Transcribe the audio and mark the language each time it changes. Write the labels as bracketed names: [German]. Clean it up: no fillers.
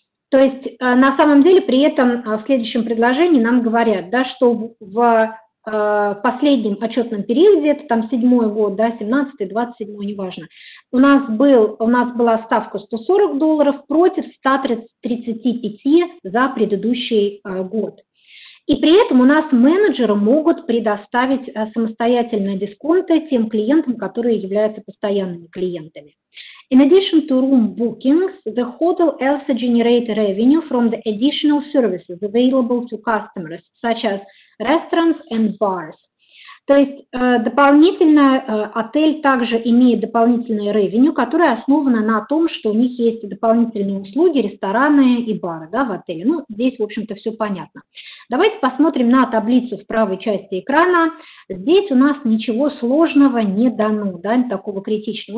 [Russian] То есть на самом деле при этом в следующем предложении нам говорят, да, что в последнем отчетном периоде, это там 7-й год, да, 17-й, 27-й, неважно, у нас была ставка $140 против 135 за предыдущий год. И при этом у нас менеджеры могут предоставить самостоятельные дисконты тем клиентам, которые являются постоянными клиентами. [English] In addition to room bookings, the hotel also generates revenue from the additional services available to customers, such as restaurants and bars. [Russian] То есть дополнительно отель также имеет дополнительное revenue, которое основано на том, что у них есть дополнительные услуги, рестораны и бары, да, в отеле. Ну, здесь, в общем-то, все понятно. Давайте посмотрим на таблицу в правой части экрана. Здесь у нас ничего сложного не дано, да, такого критичного.